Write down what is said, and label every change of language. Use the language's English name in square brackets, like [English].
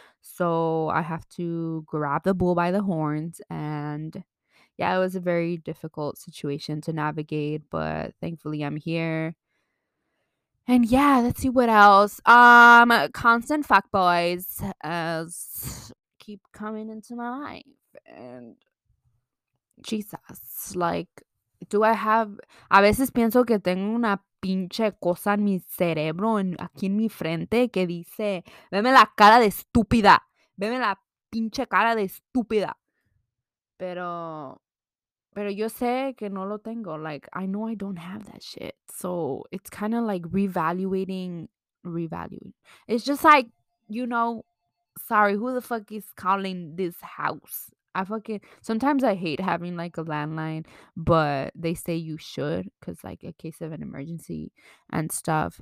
[English] So I have to grab the bull by the horns. And yeah, it was a very difficult situation to navigate, but thankfully I'm here. And yeah, let's see what else. Constant fuckboys keep coming into my life. And Jesus, like, [Spanish] a veces pienso que tengo una pinche cosa en mi cerebro, aquí en mi frente, que dice, veme la cara de estúpida. Veme la pinche cara de estúpida. Pero yo sé que no lo tengo. [English] Like, I know I don't have that shit. So, it's kind of like revaluing. It's just like, you know, sorry, who the fuck is calling this house? Sometimes I hate having like a landline, but they say you should because like a case of an emergency and stuff.